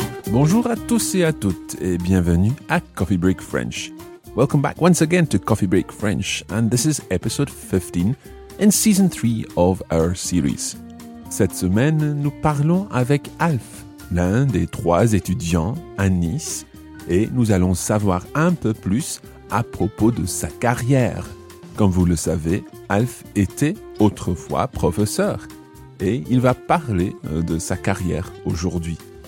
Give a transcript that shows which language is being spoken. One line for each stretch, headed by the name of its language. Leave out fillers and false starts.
French: Bonjour à tous et à toutes, et bienvenue à Coffee Break French.
English: Welcome back once again to Coffee Break French, and this is episode 15 in season 3 of our series.
French: Cette semaine, nous parlons avec Alf, l'un des trois étudiants à Nice, et nous allons savoir un peu plus à propos de sa carrière. Comme vous le savez, Alf était autrefois professeur, et il va parler de sa carrière aujourd'hui.